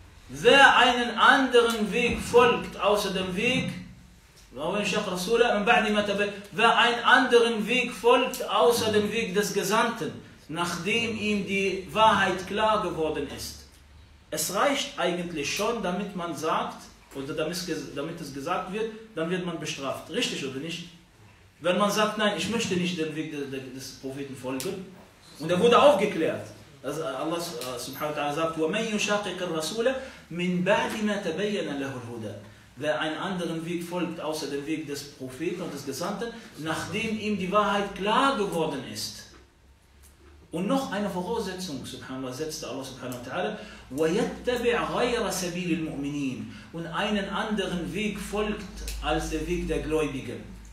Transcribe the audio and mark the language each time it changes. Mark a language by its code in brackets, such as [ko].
[de] Wer einen anderen Weg folgt außer dem Weg, wer einen anderen Weg folgt außer dem Weg des Gesandten, nachdem ihm die Wahrheit klar geworden ist. Es reicht eigentlich schon, damit man sagt, oder damit es gesagt wird, dann wird man bestraft. Richtig oder nicht? Wenn man sagt, nein, ich möchte nicht dem Weg des Propheten folgen. Und er wurde aufgeklärt. [ar] Allah subhanahu wa ta'ala sagt, وَمَنْ يُشَاقِقَ الرَّسُولَ مِنْ بَعْدِ مَا تَبَيَّنَ لَهُ الْهُدَى. [de] Wer einen anderen Weg folgt, außer dem Weg des Propheten und des Gesandten, nachdem ihm die Wahrheit klar geworden ist. Und noch eine Voraussetzung, subhanallah, setzte Allah subhanahu wa ta'ala, [ar] وَيَتَّبِعْ غَيْرَ سَبِيلِ الْمُؤْمِنِينَ. [de] Und einen anderen Weg folgt, als der Weg der Gläubigen.